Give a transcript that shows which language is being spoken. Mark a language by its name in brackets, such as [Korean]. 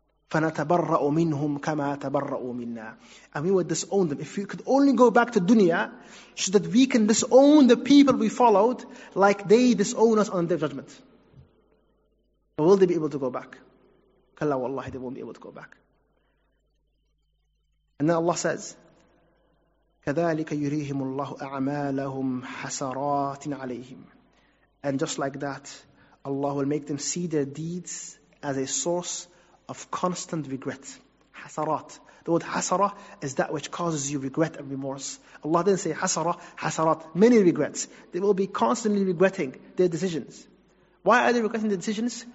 [Arabic] فَنَتَبَرَّأُ مِنْهُمْ كَمَا تَبَرَّأُوا مِنَّا. [English] And we would disown them. If we could only go back to dunya, so that we can disown the people we followed, like they disown us on their judgment. But will they be able to go back? [Arabic] كَلَّا وَاللَّهِ, [English] they won't be able to go back. And then Allah says, [Arabic] كَذَٰلِكَ يُرِيهِمُ اللَّهُ أَعْمَالَهُمْ حَسَرَاتٍ عَلَيْهِمْ. [English] And just like that, Allah will make them see their deeds as a source of constant regret. Hasarat. The word hasara is that which causes you regret and remorse. Allah didn't say hasara, hasarat. Many regrets. They will be constantly regretting their decisions. Why are they regretting their decisions?